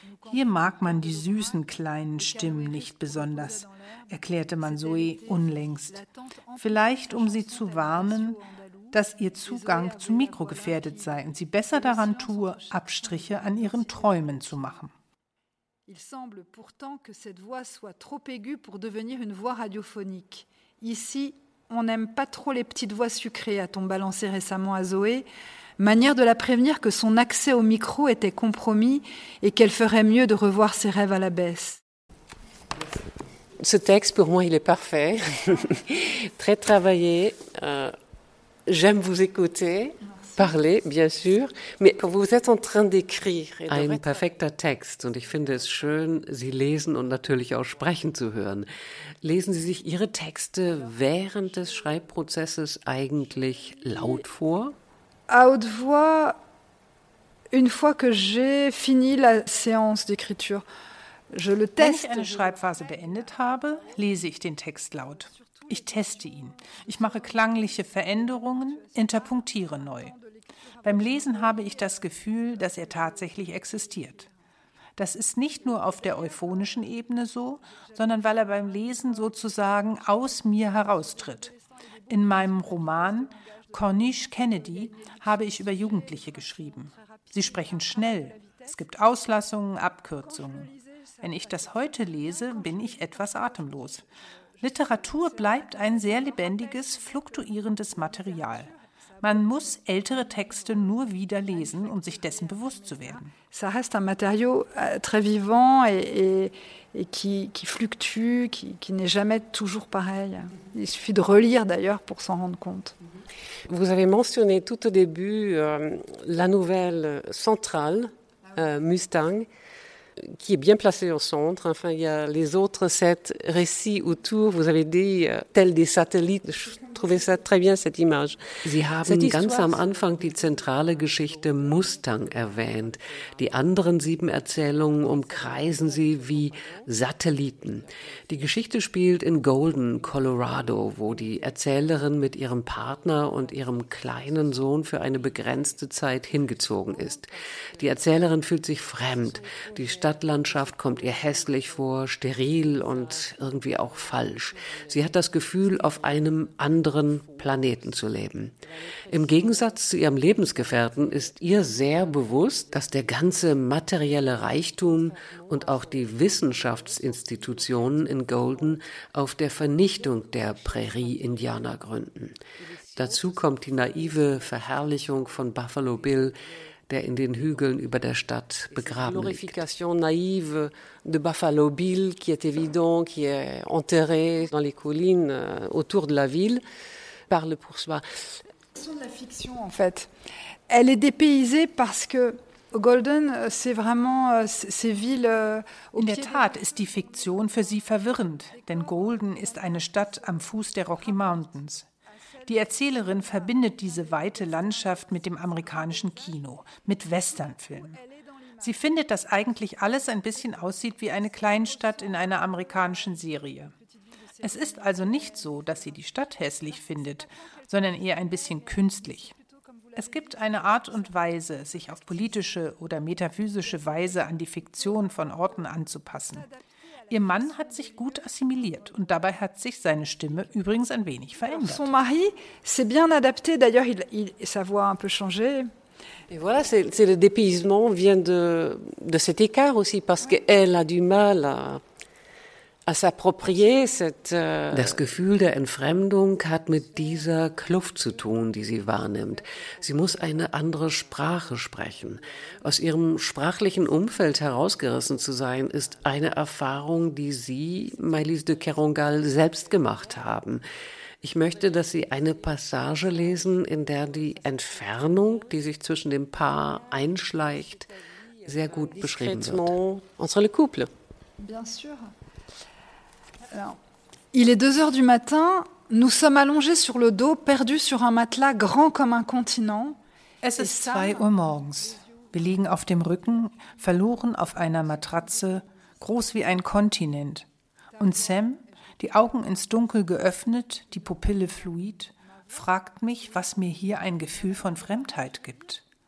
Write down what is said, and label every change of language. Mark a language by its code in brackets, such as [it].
[de] Hier mag man die süßen kleinen Stimmen nicht besonders, erklärte man Zoe unlängst. Vielleicht, um sie zu warnen, dass ihr Zugang zum Mikro gefährdet sei und sie besser daran tue, Abstriche an ihren Träumen zu machen. [fr] Il semble pourtant que cette voix soit trop aiguë pour devenir une voix radiophonique. Ici, on n'aime pas trop les petites voix sucrées, a-t-on balancé récemment à Zoé, manière de la prévenir que son accès au micro était compromis et qu'elle ferait mieux de revoir ses rêves à la baisse. Ce texte, pour moi, il est parfait. Très travaillé. J'aime vous écouter. Parler, bien sûr, mais quand vous êtes en train d'écrire... [de] Ein perfekter Text und ich finde es schön, Sie lesen und natürlich auch sprechen zu hören. Lesen Sie sich Ihre Texte während des Schreibprozesses eigentlich laut vor? [fr] À haute voix, une fois que j'ai fini la séance d'écriture, je le teste. [de] Wenn ich eine Schreibphase beendet habe, lese ich den Text laut. Ich teste ihn. Ich mache klangliche Veränderungen, interpunktiere neu. Beim Lesen habe ich das Gefühl, dass er tatsächlich existiert. Das ist nicht nur auf der euphonischen Ebene so, sondern weil er beim Lesen sozusagen aus mir heraustritt. In meinem Roman Corniche Kennedy habe ich über Jugendliche geschrieben. Sie sprechen schnell. Es gibt Auslassungen, Abkürzungen. Wenn ich das heute lese, bin ich etwas atemlos. Literatur bleibt ein sehr lebendiges, fluktuierendes Material. Man muss ältere Texte nur wieder lesen, um sich dessen bewusst zu werden. [fr] Ça reste un matériau très vivant et qui fluctue, qui n'est jamais toujours pareil. Il suffit de relire d'ailleurs pour s'en rendre compte. Vous avez mentionné tout au début la nouvelle centrale Mustang. Qui est bien placé au centre. Enfin, il y a les autres sept récits autour. Vous avez dit tels des satellites. Je trouvais ça très bien cette image. [de] Sie haben [fr] cette histoire, [de] ganz am Anfang die zentrale Geschichte Mustang erwähnt. Die anderen sieben Erzählungen umkreisen sie wie Satelliten. Die Geschichte spielt in Golden, Colorado, wo die Erzählerin mit ihrem Partner und ihrem kleinen Sohn für eine begrenzte Zeit hingezogen ist. Die Erzählerin fühlt sich fremd. Die Stadtlandschaft kommt ihr hässlich vor, steril und irgendwie auch falsch. Sie hat das Gefühl, auf einem anderen Planeten zu leben. Im Gegensatz zu ihrem Lebensgefährten ist ihr sehr bewusst, dass der ganze materielle Reichtum und auch die Wissenschaftsinstitutionen in Golden auf der Vernichtung der Prärie-Indianer gründen. Dazu kommt die naive Verherrlichung von Buffalo Bill, der in den Hügeln über der Stadt begraben liegt. [fr] Glorification naïve de Buffalo Bill, qui est évident, qui est enterré dans les collines autour de la ville, parle pour soi. C'est de la fiction, en fait. Elle est dépaysée parce que Golden, c'est vraiment ces villes. [de] In der Tat ist die Fiktion für sie verwirrend, denn Golden ist eine Stadt am Fuß der Rocky Mountains. Die Erzählerin verbindet diese weite Landschaft mit dem amerikanischen Kino, mit Westernfilmen. Sie findet, dass eigentlich alles ein bisschen aussieht wie eine Kleinstadt in einer amerikanischen Serie. Es ist also nicht so, dass sie die Stadt hässlich findet, sondern eher ein bisschen künstlich. Es gibt eine Art und Weise, sich auf politische oder metaphysische Weise an die Fiktion von Orten anzupassen. Ihr Mann hat sich gut assimiliert und dabei hat sich seine Stimme übrigens ein wenig verändert. [fr] Son mari s'est bien adapté, d'ailleurs il sa voix a un peu changé. Et voilà, c'est le dépaysement vient de cet écart aussi parce qu'elle a du mal à s'approprier cette [de] Das Gefühl der Entfremdung hat mit dieser Kluft zu tun, die sie wahrnimmt. Sie muss eine andere Sprache sprechen. Aus ihrem sprachlichen Umfeld herausgerissen zu sein, ist eine Erfahrung, die sie, Maëlys de Kerangal, selbst gemacht haben. Ich möchte, dass Sie eine Passage lesen, in der die Entfernung, die sich zwischen dem Paar einschleicht, sehr gut beschrieben wird. [fr] Entre le couple. Bien sûr. Alors, il est 2 heures du matin, Nous sommes allongés sur le dos, perdus sur un matelas grand comme un continent. [de] Es ist 2 Uhr morgens. Wir liegen auf dem Rücken, verloren auf einer Matratze, groß wie ein Kontinent. Und Sam, die Augen ins Dunkel geöffnet, die Pupille fluid, fragt mich, was mir hier ein Gefühl von Fremdheit gibt.